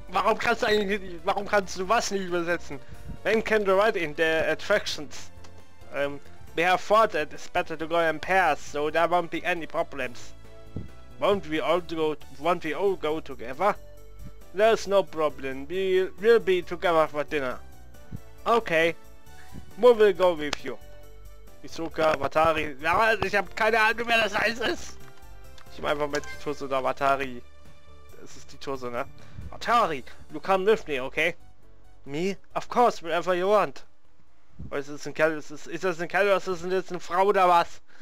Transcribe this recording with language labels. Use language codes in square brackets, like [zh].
[de] Warum kannst du eigentlich, warum kannst du was nicht übersetzen? [en] When can we ride in the attractions? We have thought that it's better to go in pairs, so there won't be any problems. Won't we all go together? There's no problem. We'll be together for dinner. Okay. We will go with you. Hisoka, Watari. [de] Ja, ich habe keine Ahnung, wer das heißt. Ich meine einfach mit Tsuzuki oder Watari. Das ist die Tsuzuki, ne? [en] Watari, you come with me, okay? Me? Of course, whatever you want. [de] Oh, ist das ein Kerl? Ist das ein Kerl oder ist das jetzt eine Frau oder was?